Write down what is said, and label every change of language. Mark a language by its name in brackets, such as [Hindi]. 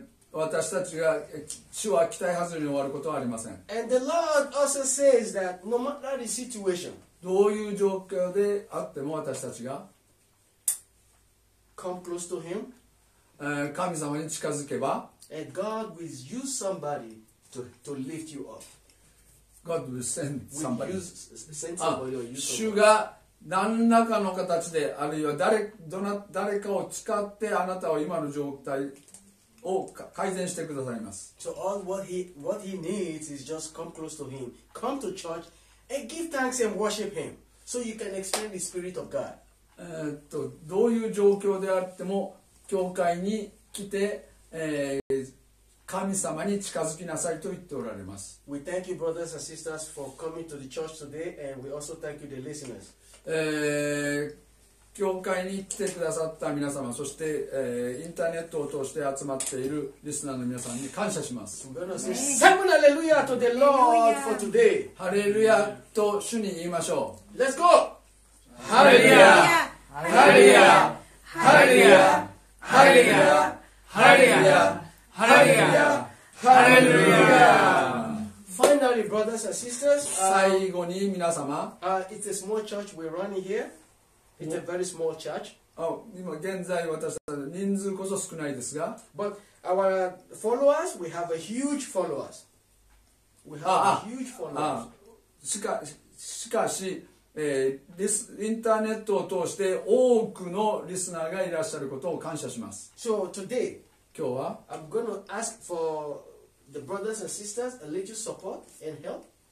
[Japanese] 私たちが主は期待外れに終わることはありません。 [English] And the Lord also says that no matter the situation, [Japanese] どういう状況であっても私たちが [English] come close to Him, [Japanese] 神様に近づけば、 [English] and God will use somebody to lift you up. God will send somebody. Will use somebody. [Japanese] 主が何らかの形で、あるいは 誰かを使ってあなたを今の状態を改善してくださいます。 [English] So all what he needs is just come close to him, come to church, and give thanks and worship him, so you can experience the spirit of God. [Japanese] どういう状況であっても、教会に来て、神様に近づきなさいと言っておられます。 [English] We thank you, brothers and sisters, for coming to the church today, and we also thank you, the listeners. [Japanese] 教会に来てくださった皆様、そして、インターネットを通して集まっているリスナーの皆さんに感謝します。 [English] Amen. Hallelujah to the Lord for today. [Japanese] ハレルヤと主に言いましょう。 [English] Let's go. [Japanese] ハレルヤ。ハレルヤ。ハレルヤ。ハレルヤ。ハレルヤ。ハレルヤ。ハレルヤ。 [English] Finally, brothers and sisters. [Japanese] 最後に皆様。 [English] It's a small church we're running here. It's a very small church. [Japanese] Oh, 今現在私たちの人数こそ少ないですが。 [English] But our followers, we have a huge followers. We have a huge followers. [Japanese] しかし、インターネットを通して多くのリスナーがいらっしゃることを感謝します。 [English] So today, [Japanese] 今日は [English] I'm going to ask for the brothers and sisters a little support and help.